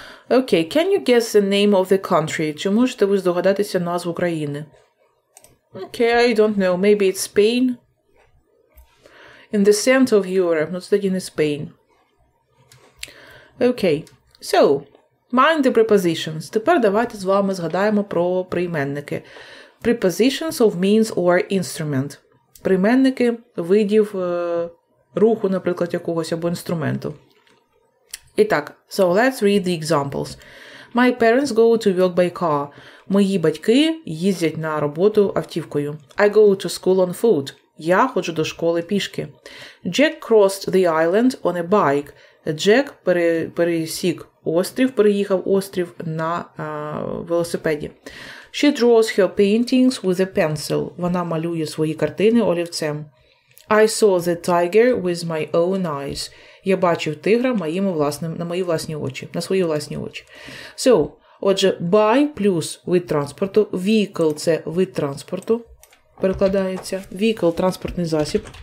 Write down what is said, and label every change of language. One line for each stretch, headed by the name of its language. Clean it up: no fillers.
English: Okay, can you guess the name of the country?
Ukrainian: Чи можете ви здогадатися назву країни?
English: Okay, I don't know. Maybe it's Spain. In the center of Europe.
Ukrainian: Ну, це тоді не
English: Spain. Okay, so, mind the prepositions.
Ukrainian: Тепер давайте з вами згадаємо про прийменники.
English: Prepositions of means or instrument.
Ukrainian: Прийменники видів руху, наприклад, якогось або інструменту.
Russian: Итак,
English: so let's read the examples. My parents go to work by car.
Ukrainian: Мої батьки їздять на роботу автівкою.
English: I go to school on foot.
Ukrainian: Я ходжу до школи пішки.
English: Jack crossed the island on a bike.
Ukrainian: Jack пересік острів, переїхав острів на велосипеді.
English: She draws her paintings with a pencil.
Ukrainian: Вона малює свої картини олівцем.
English: I saw the tiger with my own eyes.
Ukrainian: Я бачив тигра на свої власні очі.
English: So,
Ukrainian: отже, by плюс вид транспорту. Vehicle – це вид транспорту, перекладається. Vehicle – транспортний засіб.